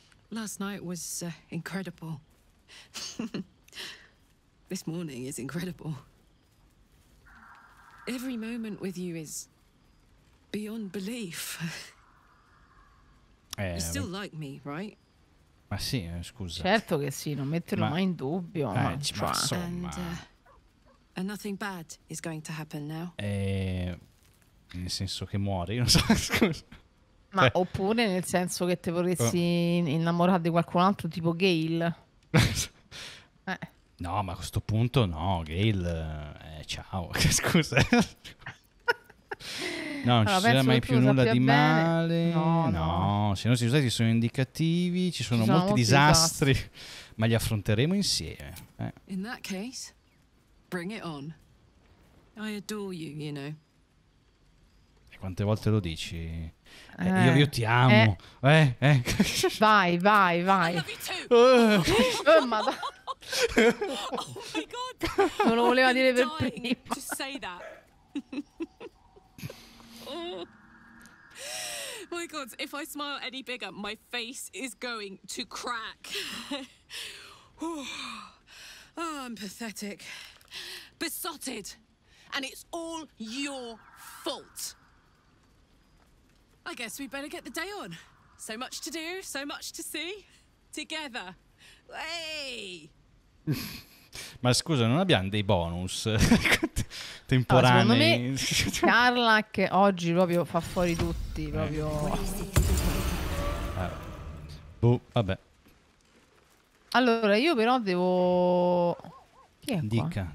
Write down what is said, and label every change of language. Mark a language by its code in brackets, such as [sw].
[en] Last night was incredible. This morning is incredible. Every moment with you is beyond belief. You still like me, right? [it] Ma sì, scusa. Certo che sì, non metterlo mai in dubbio. Ma insomma. [en] And nothing bad is going to happen now. [it] Nel senso che muori, non so, scusa. Ma oppure nel senso che te vorresti innamorare di qualcun altro tipo Gale. No, ma a questo punto no, Gale, ciao, scusa. No, non allora, ci sarà mai più nulla di bene. Male. No. Se non si usa, ci sono indicativi, ci sono molti disastri, disastri, ma li affronteremo insieme. [en] In that case, bring it on. I adore you, you know. [it] E quante volte lo dici? Io ti amo. Vai, vai, vai. [en] I love you too. Oh, oh my God. [it] Non lo voleva dire per prima. [en] Just say that. Oh my God, if I smile any bigger, my face is going to crack. Oh, I'm pathetic. Besotted. And it's all your fault. I guess we better get the day on. So much to do, so much to see. Together. Hey! [it] Ma scusa, non abbiamo dei bonus temporanei? Secondo me Karlach oggi proprio fa fuori tutti, proprio. Vabbè. Allora, io però devo... Chi è qua?